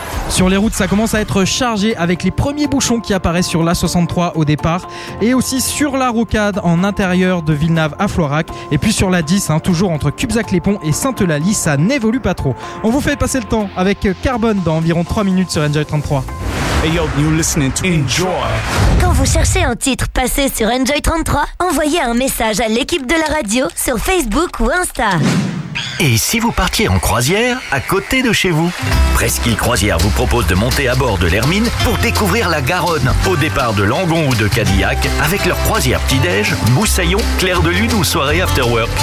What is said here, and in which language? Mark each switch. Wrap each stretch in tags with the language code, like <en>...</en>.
<fr>Sur les routes, ça commence à être chargé avec les premiers bouchons qui apparaissent sur l'A63 au départ et aussi sur la rocade en intérieur de Villeneuve à Floirac et puis sur la 10, hein, toujours entre Cubzac-les-Ponts et Sainte-Eulalie, ça n'évolue pas trop. On vous fait passer le temps avec Carbone dans environ 3 minutes sur Enjoy 33.</fr> <en>Hey yo, you listening to Enjoy.</en> <fr>Quand vous cherchez un titre passé sur Enjoy 33, envoyez un message à l'équipe de la radio sur Facebook ou Insta. Et si vous partiez en croisière, à côté de chez vous? Presqu'île Croisière vous propose de monter à bord de l'Hermine pour découvrir la Garonne. Au départ de Langon ou de Cadillac, avec leur croisière petit-déj, moussaillon, clair de lune ou soirée after-work.</fr>